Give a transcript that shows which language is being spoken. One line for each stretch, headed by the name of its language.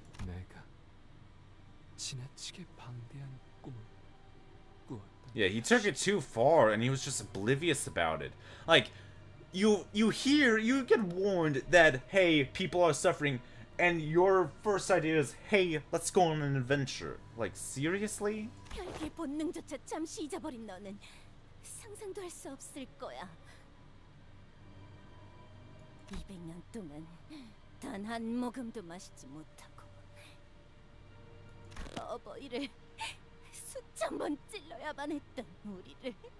Korean: 내가 지나치게 방대한 꿈을 꾸었다.
English: Yeah, he took it too far, and he was just oblivious about it. Like, you get warned that, hey, people are suffering, and your first idea is, hey, let's go on an adventure. Like, seriously?
Korean: 혈기의 본능조차 잠시 잊어버린 너는 상상도 할 수 없을 거야. 200년 동안 단 한 모금도 마시지 못하고 어버이를 수천 번 찔러야만 했던 우리를.